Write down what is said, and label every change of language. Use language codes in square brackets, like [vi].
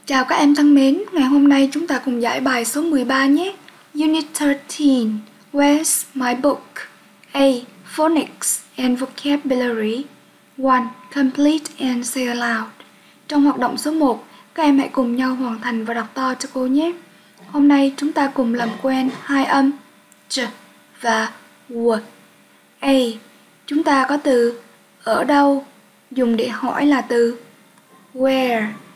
[vi] Chào các em thân mến, ngày hôm nay chúng ta cùng giải bài số 13 nhé. [en] Unit 13, Where's My Book? A. Phonics and Vocabulary. 1. Complete and say aloud. [vi] Trong hoạt động số 1, các em hãy cùng nhau hoàn thành và đọc to cho cô nhé. Hôm nay chúng ta cùng làm quen hai âm ch và w. A. Chúng ta có từ ở đâu, dùng để hỏi là từ where.